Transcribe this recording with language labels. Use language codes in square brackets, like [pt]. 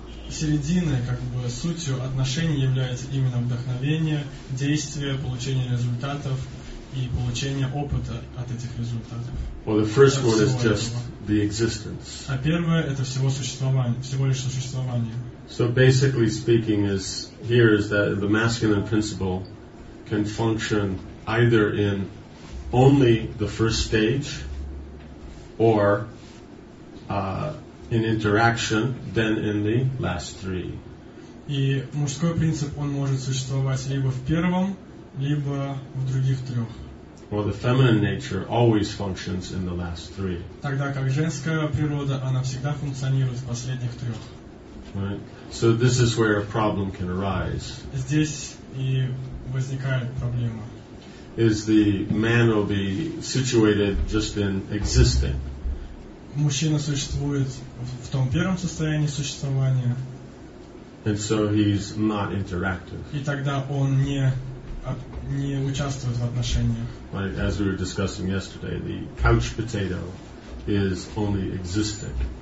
[ru] Середина, как бы сутью отношений является именно вдохновение, действие, получение результатов и получение опыта от этих результатов. [en] Well, the first one is just the existence. [ru] А первое это всего существование, всего лишь существование. [en] So basically speaking, here is that the masculine principle can function either in only the first stage or in interaction, then in the last three. [ru] И мужской принцип он может существовать либо в первом, либо в других трех. [en] Well, the feminine nature always functions in the last three. [ru] Тогда как женская природа она всегда функционирует в последних трех. [en] Right. So this is where a problem can arise. [ru] Здесь и возникает проблема. [en] Is the man will be situated just in existing? [ru] Мужчина существует в том первом состоянии существования. [en] And so he's not interactive. [ru] И тогда он не участвует в отношениях. [en] Like, as we were discussing yesterday, the couch potato is only existing.